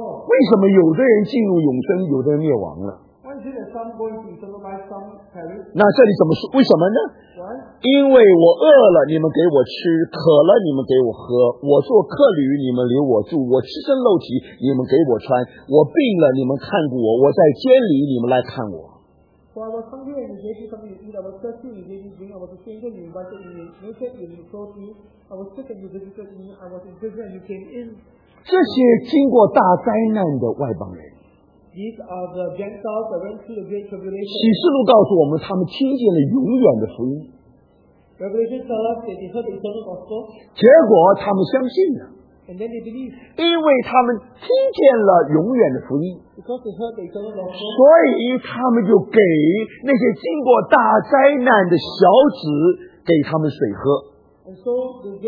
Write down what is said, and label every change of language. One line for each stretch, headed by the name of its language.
Chinese: 为什么有的人进入永生，有的人灭亡了？那这里怎么说？为什么呢？因为我饿了，你们给我吃；渴了，你们给我喝；我做客旅，你们留我住；我赤身露体，你们给我穿；我病了，你们看顾我；我在监里，你们来看我。
English: For I was hungry and you gave me something to eat, I was thirsty and you gave me drink, I was a stranger and you invited me, naked and you clothed me, I was sick and you visited me, I was in prison and you came in.
Chinese: 这些经过大灾难的外邦人。
English: These are the Gentiles that went through the great tribulation.
Chinese: 启示录告诉我们，他们听见了永远的福音。
English: Revelation tells us that they heard the eternal gospel.
Chinese: 结果他们相信了。
English: And then they believe.
Chinese: 因为他们听见了永远的福音。所以他们就给那些经过大灾难的小子给他们水喝。